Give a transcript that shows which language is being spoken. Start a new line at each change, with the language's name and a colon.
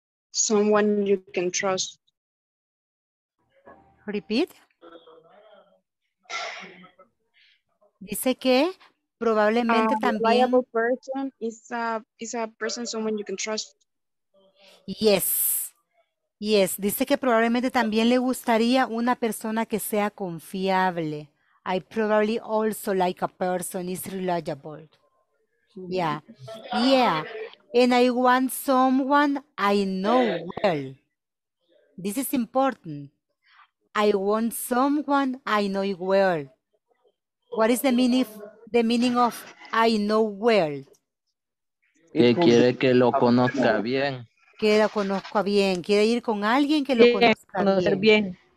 English: Someone you can trust. Repeat.
Spanish: Dice que probablemente también.
English: A reliable person is a person, someone you can trust. Yes. Yes.
Spanish: Dice que probablemente también le gustaría una persona que sea confiable.
English: I probably also like a person is reliable. Yeah. Yeah. And I want someone I know well. This is important. I want someone I know well. What is the meaning of I know well?
Spanish: Que quiere que lo conozca bien. Que lo conozca bien. Quiere ir con alguien que lo conozca bien.